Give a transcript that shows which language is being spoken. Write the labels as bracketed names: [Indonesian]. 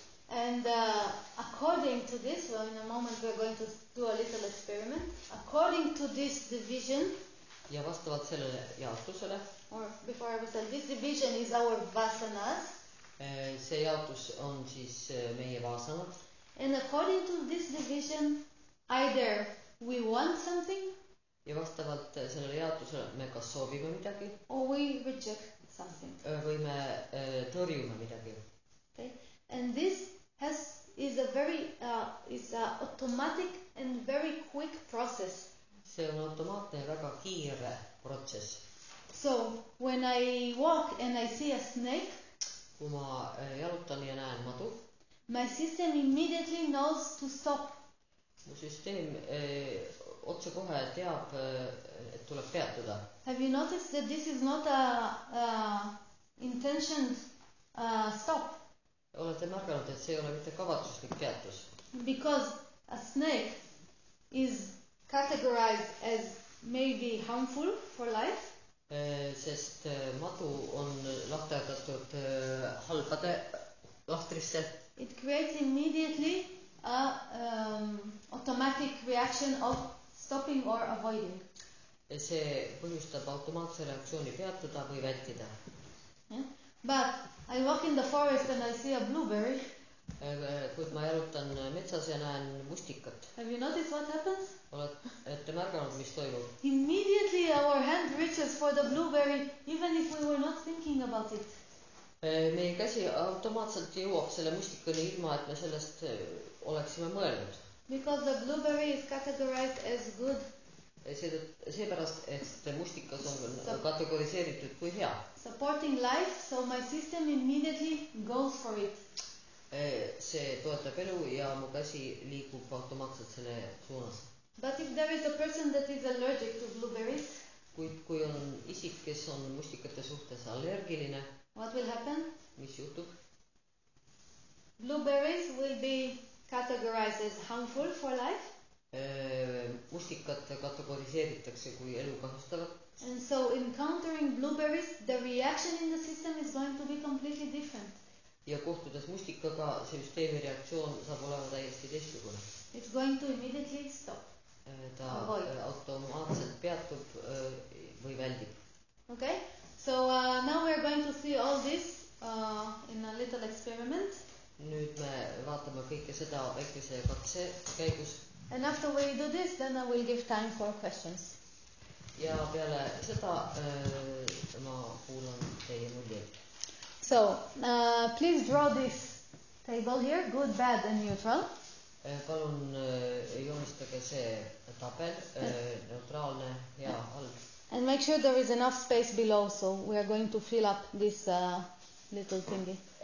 [English] And according to this, well, in a moment we are going to do a little experiment. According to this division, [Estonian] ja vastavalt sellele jaotusele, [English] or before I was told, this division is our vasanas. [Estonian] See jaotus on siis meie vasanad. [English] And according to this division, either we want something, [Estonian] ja vastavalt sellele jaotusele me kas soovime midagi, [English] or we reject something. [Estonian] Või me tõrjume midagi. [English] Okay. And this is a very is a automatic and very quick process. [Estonian] See on automaatne ja väga kiire protsess. [English] So when I walk and I see a snake, [Estonian] kui ma jalutan ja näen madu, [English] my system immediately knows to stop. [Estonian] Mu süsteem otse kohe teab, et tuleb peatuda. [English] Have you noticed that this is not a intentioned stop? [Estonian] Olete märganud, et see ei ole mitte kavatsuslik peatus. [English] Because a snake is categorized as maybe harmful for life. [Estonian] Sest madu on lahterdatud halbade lahtrisse. [English] It creates immediately a automatic reaction of stopping or avoiding. [Estonian] See põhjustab automaatse reaktsiooni peatuda või vältida. [English] But I walk in the forest and I see a blueberry. [Estonian] Kui ma jalutan metsas ja näen mustikat. [English] Have you noticed what happens? [Estonian] Olete märganud, mis toimub? [English] Immediately our hand reaches for the blueberry, even if we were not thinking about it. [Estonian] Meie käsi automaatselt jõuab selle mustikani ilma, et me sellest oleksime mõelnud. [English] Because the blueberry is categorized as good. [Estonian] See pärast, et mustikas on kategoriseeritud kui hea. [English] Supporting life, so my system immediately goes for it. [Estonian] See toetab elu ja mu käsi liigub automaatselt selle suunas. [English] But if there is a person that is allergic to blueberries, [Estonian] kui on isik, kes on mustikate suhtes allergiline, [English] what will happen? [Estonian] Mis juhtub? [English] Blueberries will be categorized as harmful for life. [Estonian] Mustikat kategoriseeritakse kui elu kahjustavad. [English] And so encountering blueberries, the reaction in the system is going to be completely different. [Estonian] Ja kohtudes mustikaga, see süsteemi reaktsioon saab olema täiesti teistsugune. [English] It's going to immediately stop. [Estonian] Ta automaatselt peatub või väldib. [English] Okay, so now we are going to see all this in a little experiment. [Estonian] Nüüd me vaatame kõike seda väikese katse käigus. [English] And after we do this, then I will give time for questions. [Estonian] Ja peale seda ma kuulan teie mõtteid. [English] So, please draw this table here, good, bad and neutral. [Estonian] Palun joonistage see tabel, neutraalne ja halb. [English] And make sure there is enough space below, so we are going to fill up this little thingy.